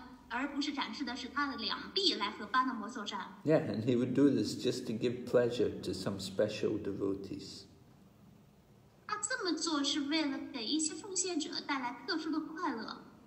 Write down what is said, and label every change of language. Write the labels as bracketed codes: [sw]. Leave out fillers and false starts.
[zh] 而不是展示的是他的两臂来和巴纳摩作战。 [en] Yeah, and he would do this just to give pleasure to some special devotees. [zh] 他这么做是为了给一些奉献者带来特殊的快乐。